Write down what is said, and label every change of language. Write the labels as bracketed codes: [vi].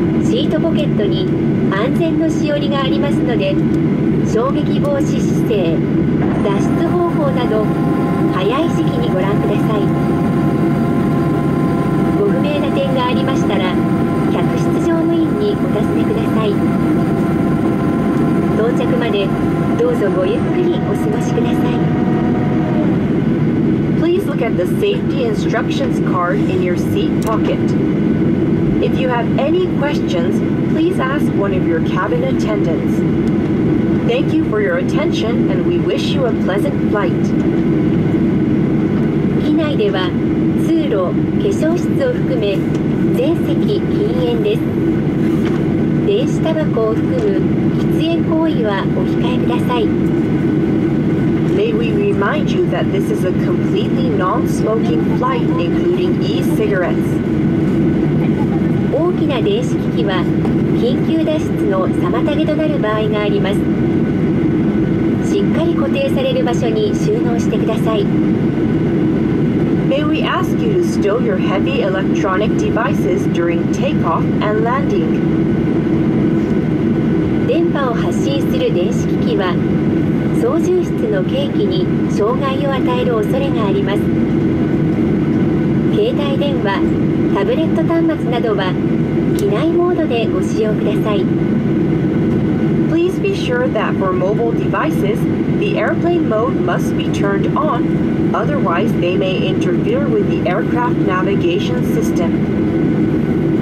[ja] シートポケットに安全のしおりがありますので、衝撃防止姿勢、脱出方法など早い時期にご覧ください。ご不明な点がありましたら客室乗務員にお尋ねください。到着までどうぞごゆっくりお過ごしください。 [en] Please look at the safety instructions card in your seat pocket. If you have any questions, please ask one of your cabin attendantsThank you for your attention and we wish you a pleasant flight. [ja] 機内では通路、化粧室を含め全席禁煙です。電子タバコを含む喫煙行為はお控えください。 [en] May we remind you that this is a completely non-smoking flight including e-cigarettes. [ja] 大きな電子機器は緊急脱出の妨げとなる場合があります。しっかり固定される場所に収納してください。 [en] May we ask you to stow your heavy electronic devices during takeoff and landing? [ja] 電波を発信する電子機器は操縦室の計器に障害を与える恐れがあります。携帯電話、タブレット端末などは機内モードでご使用ください。 [en] Please be sure that for mobile devices, the airplane mode must be turned on, otherwise they may interfere with the aircraft navigation system.